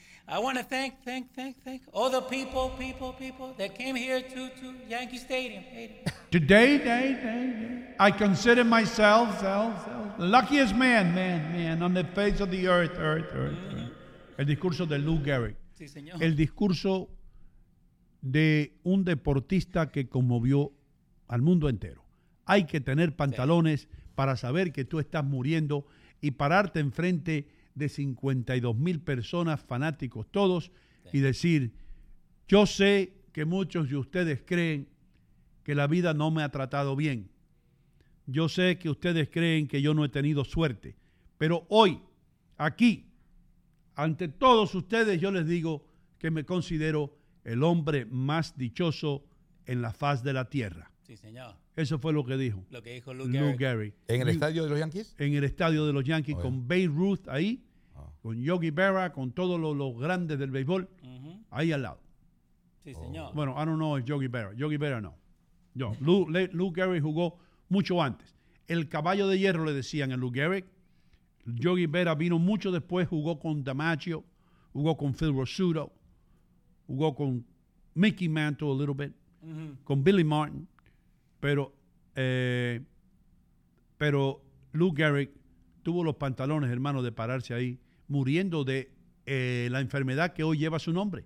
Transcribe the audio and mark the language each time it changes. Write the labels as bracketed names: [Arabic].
[English] I want to thank all the people that came here to Yankee Stadium. Today, I consider myself the luckiest man on the face of the earth. [Spanish] Mm-hmm. El discurso de Lou Gehrig. Sí, señor. El discurso de un deportista que conmovió al mundo entero. Hay que tener pantalones para saber que tú estás muriendo y pararte enfrente de 52,000 personas, fanáticos todos, y decir, yo sé que muchos de ustedes creen que la vida no me ha tratado bien. Yo sé que ustedes creen que yo no he tenido suerte. Pero hoy, aquí, ante todos ustedes, yo les digo que me considero el hombre más dichoso en la faz de la tierra. Sí, señor. Eso fue lo que dijo. Lo que dijo Lou Gehrig. ¿En el estadio de los Yankees? Con Babe Ruth ahí, con Yogi Berra, con todos los grandes del béisbol, ahí al lado. Sí, señor. Bueno, [English] I don't know if Yogi Berra. Yogi Berra no. [Spanish] No, Lou Gehrig jugó mucho antes. El caballo de hierro le decían a Lou Gehrig. Yogi Berra vino mucho después, jugó con DiMaggio, jugó con Phil Rizzuto, jugó con Mickey Mantle [English] a little bit, [Spanish] mm-hmm. con Billy Martin, pero Lou Gehrig tuvo los pantalones, hermano, de pararse ahí, muriendo de la enfermedad que hoy lleva su nombre,